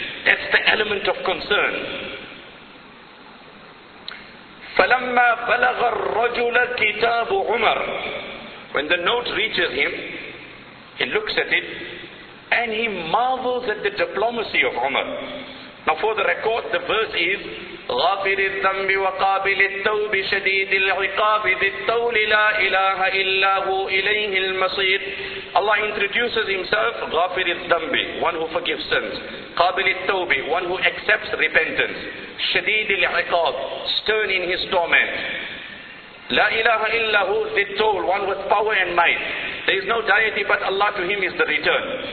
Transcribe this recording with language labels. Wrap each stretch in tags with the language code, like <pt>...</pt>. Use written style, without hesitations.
<en>That's the element of concern.</en> <ar>فَلَمَّا بَلَغَ الرَّجُلَ كِتَابُ عُمَرٍ.</ar> <en>When the note reaches him, he looks at it and he marvels at the diplomacy of Umar. Now for the record, the verse is</en> <ar>غَافِرِ الذَّنْبِ وَقَابِلِ التَّوْبِ شَدِيدِ الْعِقَابِ بِالتَّوْلِ لَا إِلَهَ إِلَّا هُوْ إِلَيْهِ الْمَصِيرِ.</ar> <en>Allah introduces himself,</en> <ar>غَافِرِ الذَّنْبِ,</ar> <en>one who forgives sins.</en> <ar>قَابِلِ التَّوْبِ,</ar> <en>one who accepts repentance.</en> <ar>شَدِيدِ الْعِقَابِ,</ar> <en>stern in his torment.</en> <ar>لَا إِلَهَ إِلَّا هُوْ لِلْتَوْلِ,</ar> <en>one with power and might. There is no deity but Allah, to him is the return.</en>